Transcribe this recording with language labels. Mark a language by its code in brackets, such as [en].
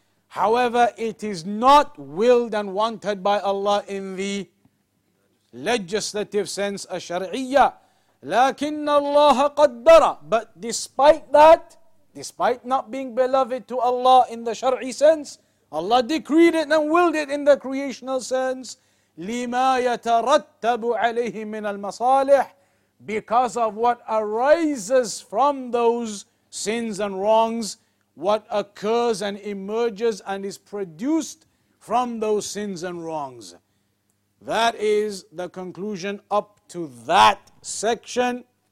[en] However, it is not willed and wanted by Allah in the legislative sense, al-shari'iyah. [ar] لكن الله قدر. [en] But despite that, despite not being beloved to Allah in the shari'i sense, Allah decreed it and willed it in the creational sense. [ar] لما يترتب عليه من المصالح. [en] Because of what arises from those sins and wrongs, what occurs and emerges and is produced from those sins and wrongs. That is the conclusion up to that section.